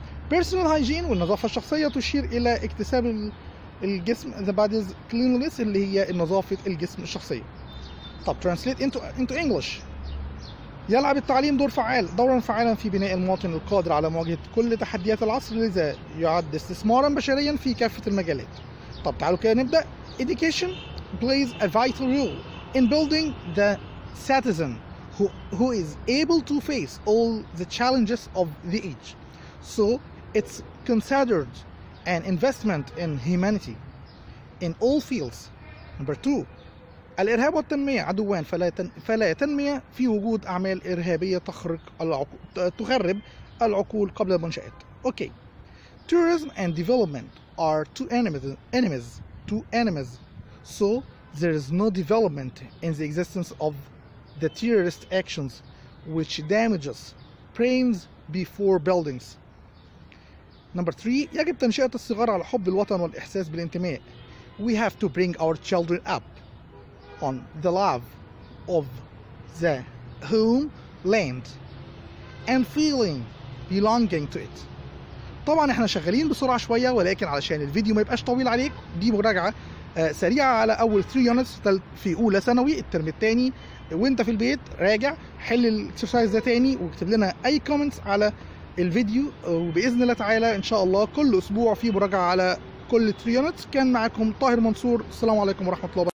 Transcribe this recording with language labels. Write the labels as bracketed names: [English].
[English] Personal hygiene [Arabic] والنظافة الشخصية تشير إلى اكتساب الجسم [English] the body's cleanliness, [Arabic] اللي هي النظافة الجسم الشخصية. [English] طب translate into English. [Arabic] يلعب التعليم دورا فعالا في بناء المواطن القادر على مواجهة كل تحديات العصر, لذا يعد استثمارا بشريا في كافة المجالات. طب تعالوا كده نبدأ. [English] Education plays a vital role in building the citizen who is able to face all the challenges of the age. So it's considered an investment in humanity in all fields. Number two, [Arabic] الإرهاب والتنمية عدوان, فلا تنمية في وجود أعمال إرهابية تخرب العقول قبل المنشآت. [English] Okay, tourism and development are two enemies. So there is no development in the existence of the terrorist actions which damages planes before buildings. Number 3, [Arabic] يجب تنشئة الصغار على حب الوطن والإحساس بالانتماء. [English] We have to bring our children up on the love of the homeland and feeling belonging to it. [Arabic] طبعا احنا شغالين بسرعة شوية, ولكن علشان الفيديو ما يبقاش طويل عليك, دي مراجعة سريعة على اول 3 units في اولى ثانوي الترم الثاني. وانت في البيت راجع حل الاكسرسايز ده تاني واكتب لنا اي كومنتس على الفيديو, وبإذن الله تعالى إن شاء الله كل أسبوع في مراجعة على كل تريونت. كان معكم طاهر منصور. السلام عليكم ورحمة الله.